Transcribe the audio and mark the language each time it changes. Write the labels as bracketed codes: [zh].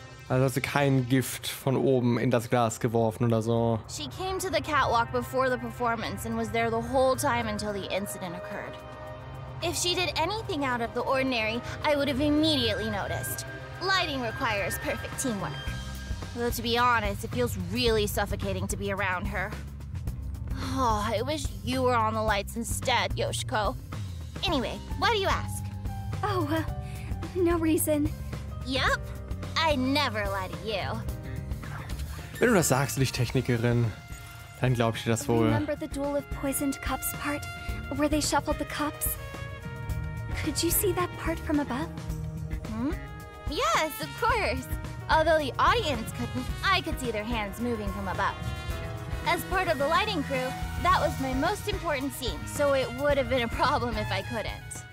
[de] Also hat sie kein Gift von oben in das Glas geworfen oder so. [en] She came to the catwalk before the performance and was there the whole time until the incident occurred. If she did anything out of the ordinary, I would have immediately noticed. Lighting requires perfect teamwork. Though to be honest, it feels really suffocating to be around her. Oh, I wish you were on the lights instead, Yoshiko. Anyway, why do you ask? Oh, no reason. Yep. I never lie to you. [de] Wenn du das sagst, Lichttechnikerin, dann glaub ich dir das wohl. [en] Remember the duel of poisoned cups part, where they shuffled the cups? Could you see that part from above? Hmm? Yes, of course. Although the audience couldn't, I could see their hands moving from above. As part of the lighting crew, that was my most important scene, so it would have been a problem if I couldn't.